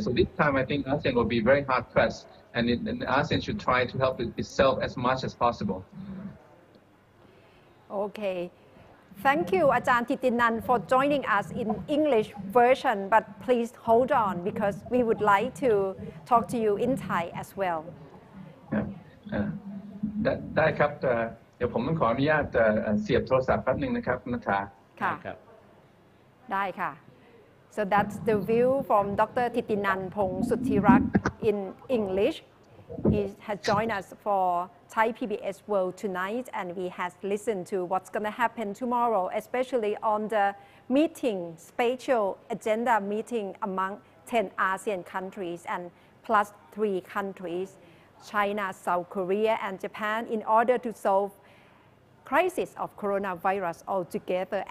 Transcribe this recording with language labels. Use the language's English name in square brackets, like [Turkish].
[English] So this time, I think ASEAN will be very hard pressed, and ASEAN should try to help itself as much as possible. Okay. Thank you, Ajahn Thitinan, for joining us in English version, but please hold on because we would like to talk to you in Thai as well. [Thai] ได้ครับเดี๋ยวผมต้องขออนุญาตเสียบโทรศัพท์แป๊บนึงนะครับนัทธา ค่ะได้ค่ะ [English] So that's the view from Dr. Thitinan Pongsudhirak in English. He has joined us for Thai PBS World tonight, and we have listened to what's going to happen tomorrow, especially on the meeting, special agenda meeting among 10 ASEAN countries and plus 3 countries, China, South Korea, and Japan, in order to solve crisis of coronavirus altogether.